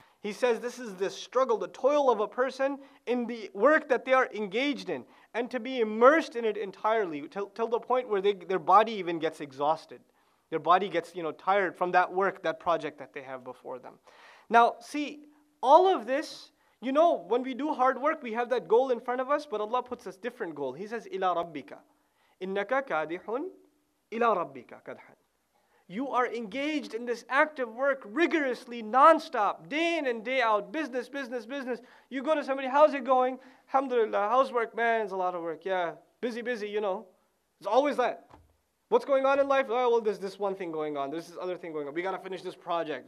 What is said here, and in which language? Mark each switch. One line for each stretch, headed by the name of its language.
English: He says this is the struggle, the toil of a person in the work that they are engaged in, and to be immersed in it entirely till the point where their body even gets exhausted. Their body gets, you know, tired from that work, that project that they have before them. Now, see, all of this, you know, when we do hard work, we have that goal in front of us, but Allah puts us a different goal.
Arabic: He says, إِلَىٰ رَبِّكَ إِنَّكَ كَادِحٌ إِلَىٰ رَبِّكَ كَدْحًا.
English: You are engaged in this active work rigorously, nonstop, day in and day out, business, business, business. You go to somebody, how's it going? Alhamdulillah, how's work, man? It's a lot of work, yeah. Busy, busy, you know. It's always that. What's going on in life? Oh, well, there's this one thing going on. There's this other thing going on. We got to finish this project.